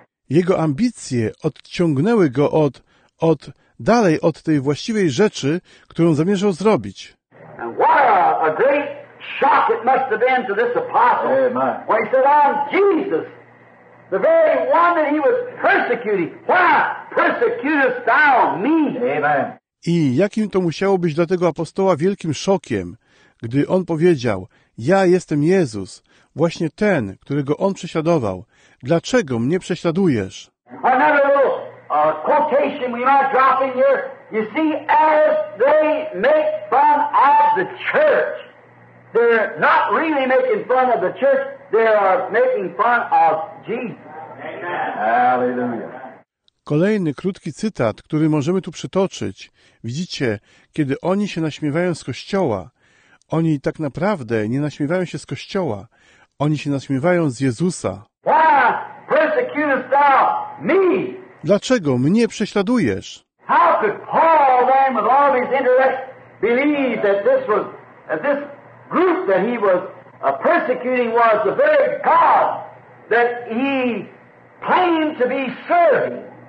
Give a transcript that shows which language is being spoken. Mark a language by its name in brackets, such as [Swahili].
[Polish] Jego ambicje odciągnęły go od dalej od tej właściwej rzeczy, którą zamierzał zrobić. [English] And what a great shock it must have been to this apostle. When he said, I'm Jesus. The very one that he was persecuting. Why persecutest thou me? Amen. [Polish] I jakim to musiało być dla tego apostoła wielkim szokiem, gdy on powiedział, ja jestem Jezus, właśnie ten, którego on prześladował. Dlaczego mnie prześladujesz? [English] Another little quotation we might drop in here. You see, as they make fun of the church, they're not really making fun of the church. They are making fun of Jesus. Hallelujah. [Polish] Kolejny krótki cytat, który możemy tu przytoczyć. Widzicie, kiedy oni się naśmiewają z Kościoła, oni tak naprawdę nie naśmiewają się z Kościoła, oni się naśmiewają z Jezusa. [English] Why persecutest thou me? [Polish] Dlaczego mnie prześladujesz? [English] How could Paul then, with all his intellect, believe that this was this group that he was persecuting was the very God that he claimed to be serving.